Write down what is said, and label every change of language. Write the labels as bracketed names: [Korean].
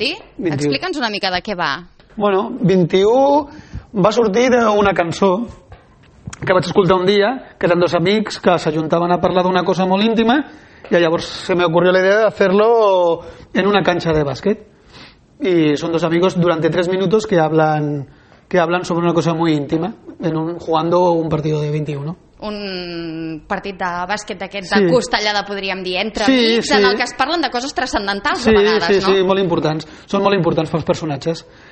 [Catalan] dir. Explica'ns una mica de què va. Bueno, 21 va sortir d'una cançó que vaig escoltar un dia, que eren dos amics que s'ajuntaven a parlar d'una cosa molt íntima i llavors [Spanish] se me ocurrió la idea de hacerlo en una cancha de [Catalan] bàsquet. [Spanish] Y son dos amigos durante tres minutos que hablan sobre una cosa muy íntima jugando un partido de 21. [Catalan] Un partit de bàsquet d'aquests de costellada, podríem dir, entre sí, amics, sí. En el que es parlen de coses transcendentals sí, a vegades, sí, no? Sí, sí, molt importants. Són molt importants pels personatges.